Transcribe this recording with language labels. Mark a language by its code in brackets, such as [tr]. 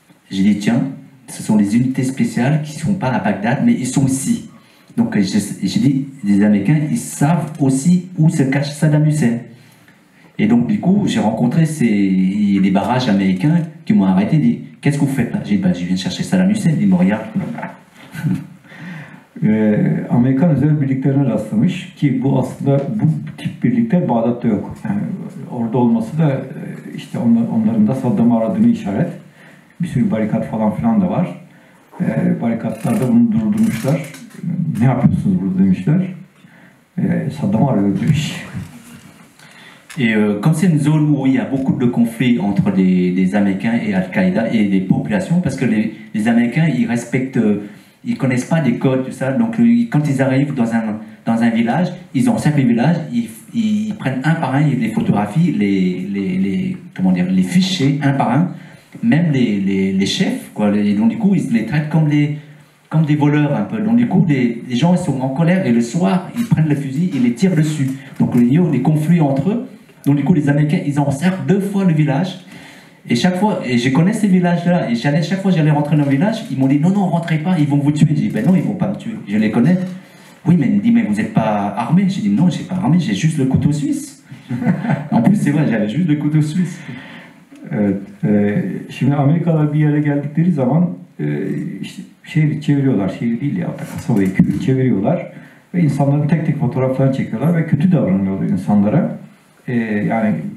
[fr] J'ai dit, tiens, ce sont des unités spéciales qui ne sont pas à Bagdad, mais ils sont ici. Donc j'ai dit, les Américains, ils savent aussi où se cache Saddam Hussein. Et donc du coup, j'ai rencontré des barrages américains qui m'ont arrêté et dit, qu'est-ce que vous faites là? J'ai dit, bah, je viens chercher Saddam Hussein, il me regarde. [tr] Amerikan özel birliklerine rastlamış ki bu aslında bu tip birlikler Bağdat'ta yok. Yani orada olması da işte onların da Saddam'ı aradığını işaret. Bir sürü barikat falan filan da var. Barikatlarda bunu durdurmuşlar. Ne yapıyorsunuz burada demişler. Saddam'ı arıyor demiş. [fr] Et comme c'est une zone où il y a beaucoup de conflits entre les Américains et Al-Qaïda et les populations, parce que les Américains ils respectent ils ne connaissent pas des codes, tout ça. Donc, quand ils arrivent dans un village, ils ont cinq villages, ils prennent un par un les photographies, les fichiers, un par un, même les chefs, quoi. Et donc, du coup, ils les traitent comme des voleurs, un peu. Donc, du coup, les gens ils sont en colère et le soir, ils prennent le fusil et les tirent dessus. Donc, il y a des conflits entre eux. Donc, du coup, les Américains, ils encerclent deux fois le village. Et chaque fois, et je connais ces villages-là, et chaque fois j'allais rentrer dans le village, ils m'ont dit non, rentrez pas, ils vont vous tuer. J'ai dit ben non, ils vont pas me tuer, je les connais. Oui, mais ils me disent mais vous êtes pas armé. J'ai dit non, j'ai pas armé, j'ai juste le couteau suisse. En plus, c'est vrai, j'avais juste le couteau suisse. [tr] Şimdi Amerika'da bir yere geldikleri zaman, şehri çeviriyorlar, şehri değil ya, kasabayı köyü çeviriyorlar ve insanların tek tek fotoğraflarını çekiyorlar ve kötü davranıyorlar insanlara. Yani.